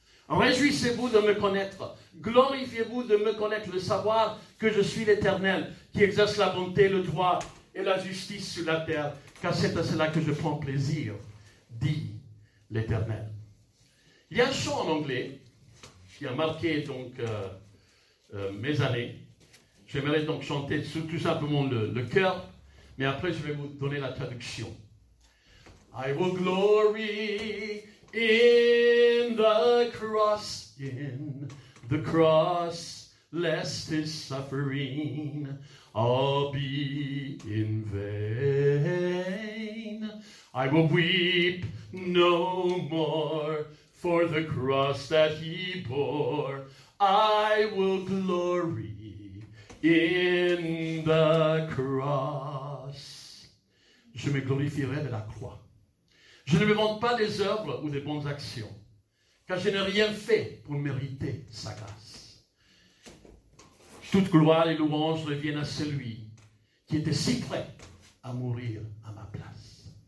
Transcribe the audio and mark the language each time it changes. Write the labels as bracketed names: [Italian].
[French] Réjouissez-vous de me connaître. Glorifiez-vous de me connaître, de savoir que je suis l'Éternel, qui exerce la bonté, le droit et la justice sur la terre, car c'est à cela que je prends plaisir, dit l'Éternel. Il y a un chant en anglais qui a marqué donc mes années. J'aimerais donc chanter tout simplement le chœur, mais après je vais vous donner la traduction. [English] I will glory in the cross, in the cross, lest his suffering all be in vain. I will weep no more, For the cross that he bore, I will glory in the cross. [French] Je me glorifierai de la croix. Je ne me vante pas des œuvres ou des bonnes actions, car je n'ai rien fait pour mériter sa grâce. Toute gloire et louange reviennent à celui qui était si prêt à mourir à ma place.